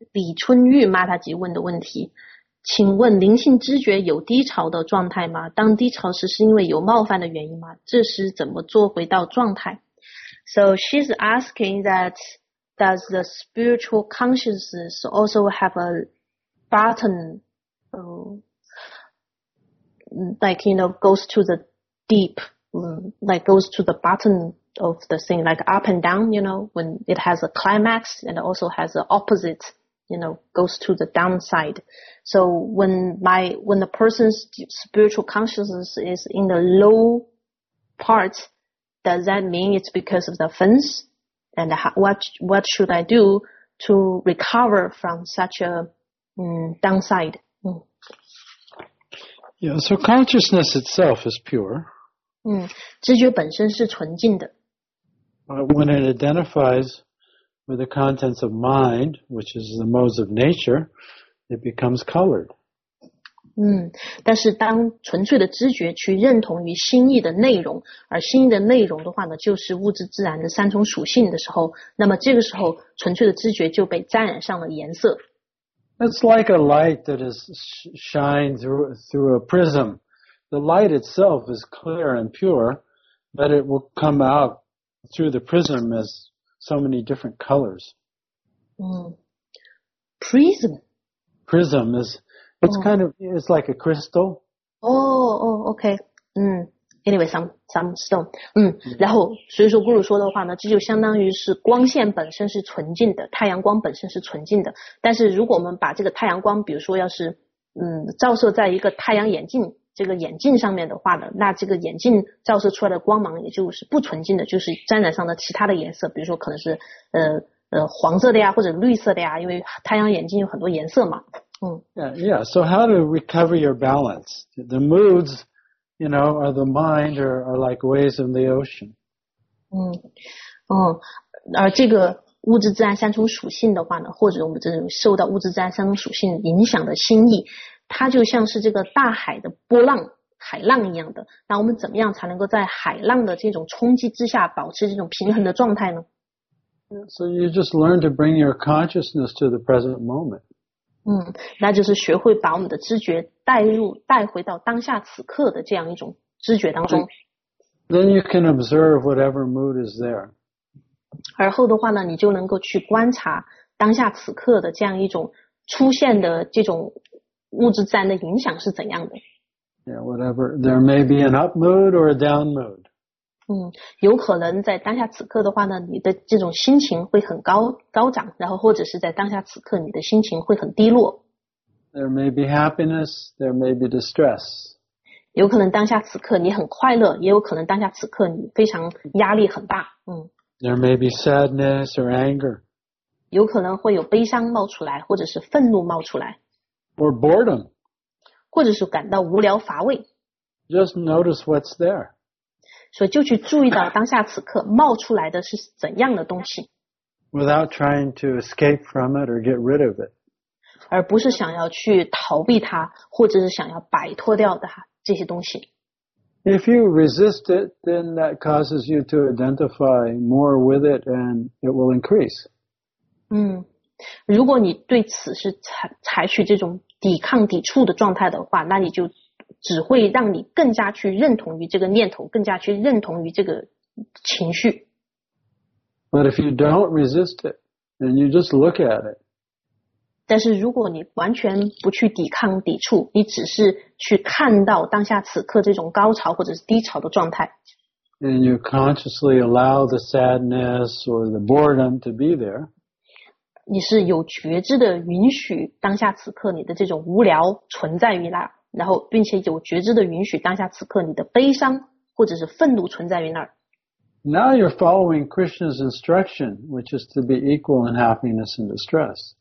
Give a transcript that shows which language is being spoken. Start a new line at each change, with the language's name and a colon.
Chinese: 李春玉妈她提问的问题，请问灵性知觉有低潮的状态吗？当低潮时是因为有冒犯的原因吗？这时怎么做回到状态？
English: So she's asking that does the spiritual consciousness also have a button? Goes to the deep, like goes to the bottom of the thing, like up and down, when it has a climax and also has the opposite, goes to the downside. So when the person's spiritual consciousness is in the low part, does that mean it's because of the offense? And what should I do to recover from such a downside? Yeah, so consciousness itself is pure.
Chinese: 知觉本身是纯净的。
English: When it identifies with the contents of mind, which is the modes of nature, it becomes colored.
Chinese: 但是当纯粹的知觉去认同于心意的内容，而心意的内容的话呢，就是物质自然的三重属性的时候，那么这个时候纯粹的知觉就被沾染上了颜色。
English: It's like a light that is shined through a prism. The light itself is clear and pure, but it will come out through the prism as so many different colors. Prism. Prism is, it's kind of, it's like a crystal. Okay. Anyway, some stone.
Chinese: 然后所以说Guru说的话呢，这就相当于是光线本身是纯净的，太阳光本身是纯净的。但是如果我们把这个太阳光，比如说要是照射在一个太阳眼镜这个眼镜上面的话呢，那这个眼镜照射出来的光芒也就是不纯净的，就是沾染上的其他的颜色，比如说可能是黄色的呀，或者绿色的呀，因为太阳眼镜有很多颜色嘛。
English: Yeah. So how to recover your balance? The moods, are the mind, or are like waves in the ocean.
Chinese: 而这个物质自然三重属性的话呢，或者我们这种受到物质自然三重属性影响的心意，它就像是这个大海的波浪、海浪一样的。那我们怎么样才能够在海浪的这种冲击之下保持这种平衡的状态呢？
English: So you just learn to bring your consciousness to the present moment.
Chinese: 那就是学会把我们的知觉带回到当下此刻的这样一种知觉当中。
English: Then you can observe whatever mood is there.
Chinese: 而后的话呢，你就能够去观察当下此刻的这样一种出现的这种物质自然的影响是怎样的。
English: Yeah, whatever. There may be an up mood or a down mood.
Chinese: 有可能在当下此刻的话呢，你的这种心情会很高涨，然后或者是在当下此刻你的心情会很低落。
English: There may be happiness, there may be distress.
Chinese: 有可能当下此刻你很快乐，也有可能当下此刻你非常压力很大。
English: There may be sadness or anger.
Chinese: 有可能会有悲伤冒出来，或者是愤怒冒出来。
English: Or boredom.
Chinese: 或者是感到无聊乏味。
English: Just notice what's there.
Chinese: 所以就去注意到当下此刻冒出来的是怎样的东西。
English: Without trying to escape from it or get rid of it.
Chinese: 而不是想要去逃避它，或者是想要摆脱掉的这些东西。
English: If you resist it, then that causes you to identify more with it and it will increase.
Chinese: 如果你对此是采取这种抵抗抵触的状态的话，那你就只会让你更加去认同于这个念头，更加去认同于这个情绪。
English: But if you don't resist it, and you just look at it.
Chinese: 但是如果你完全不去抵抗抵触，你只是去看到当下此刻这种高潮或者是低潮的状态。
English: And you consciously allow the sadness or the boredom to be there.
Chinese: 你是有觉知的允许当下此刻你的这种无聊存在于那儿。然后并且有觉知的允许当下此刻你的悲伤或者是愤怒存在于那儿。
English: Now you're following Krishna's instruction, which is to be equal in happiness and distress.